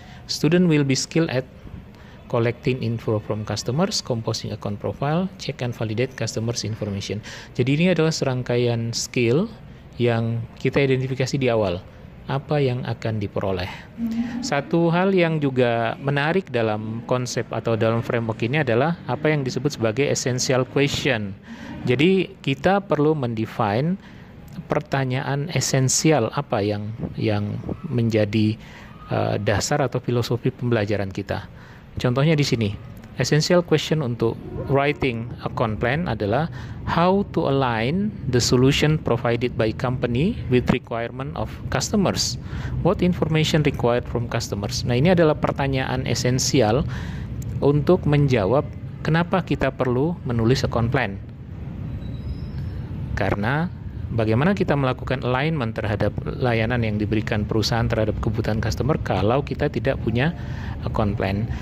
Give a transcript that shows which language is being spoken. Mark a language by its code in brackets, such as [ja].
[en] Student will be skilled at collecting info from customers, composing account profile, check and validate customers information. [id] Jadi ini adalah serangkaian skill yang kita identifikasi di awal, apa yang akan diperoleh. Satu hal yang juga menarik dalam konsep atau dalam framework ini adalah apa yang disebut sebagai essential question. Jadi kita perlu mendefine pertanyaan esensial apa yang menjadi dasar atau filosofi pembelajaran kita. Contohnya di sini, [en] essential question [id] untuk [en] writing a con plan [id] adalah [en] how to align the solution provided by company with requirement of customers. What information required from customers? [id] Nah, ini adalah pertanyaan esensial untuk menjawab kenapa kita perlu menulis a con plan. Karena bagaimana kita melakukan alignment terhadap layanan yang diberikan perusahaan terhadap kebutuhan customer kalau kita tidak punya account plan.